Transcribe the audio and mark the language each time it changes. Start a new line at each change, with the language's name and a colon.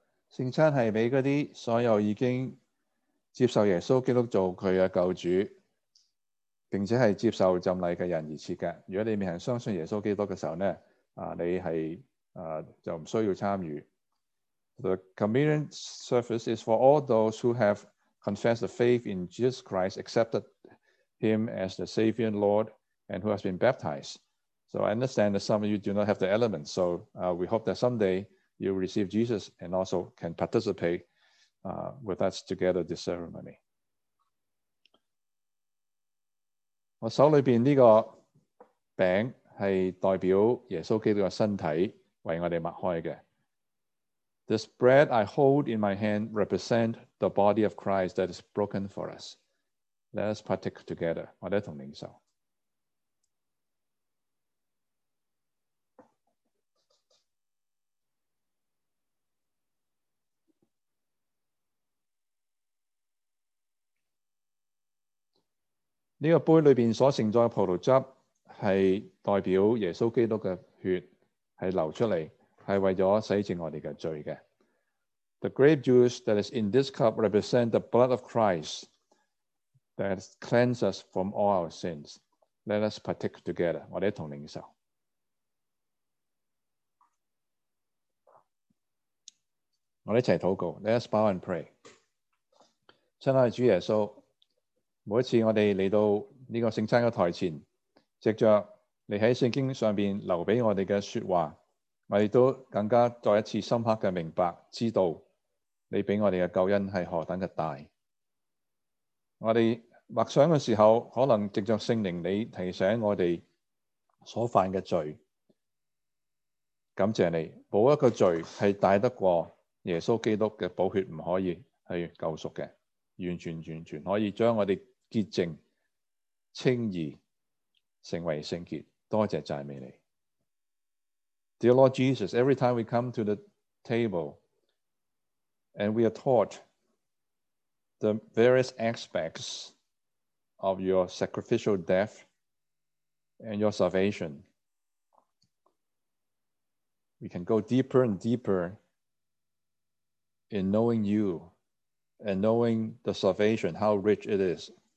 Chinese: 聖餐是給那些所有已經接受耶穌基督做祂的救主並且是接受浸禮的人而設的。如果你未曾相信耶穌基督的時候呢，你是就不需要參與。
English: The communion service is for all those who have confessed the faith in Jesus Christ, accepted Him as the Savior and Lord, and who has been baptized. So I understand that some of you do not have the elements, so we hope that someday,you receive Jesus and also can participate with us together this ceremony.
Chinese: 我手里边这个饼是代表耶稣基督的身体为我们擘开的。
English: This bread I hold in my hand represents the body of Christ that is broken for us. Let us partake together.
Chinese: 我们一同领受。这个杯里面所盛载的葡萄汁是代表耶稣基督的血是流出来，是为了洗净我们的罪的。
English: The grape juice that is in this cup represents the blood of Christ that cleanses us from all our sins. Let us partake together.
Chinese: 我们一同领受。我们一起祷告。
English: Let us bow and pray.
Chinese: 亲爱的主耶稣，每一次我们来到这个圣餐的台前，藉着你在圣经上面留给我们的说话，我们都更加再一次深刻的明白，知道你给我们的救恩是何等的大。我们默想的时候，可能藉着圣灵你提醒我们所犯的罪，感谢你，没有一个罪是大得过耶稣基督的宝血不可以去救赎的，完全可以将我们洁净、清义，成为圣洁。多谢赞美你。
English: Dear Lord Jesus, every time we come to the table and we are taught the various aspects of your sacrificial death and your salvation, we can go deeper and deeper in knowing you and knowing the salvation, how rich it is.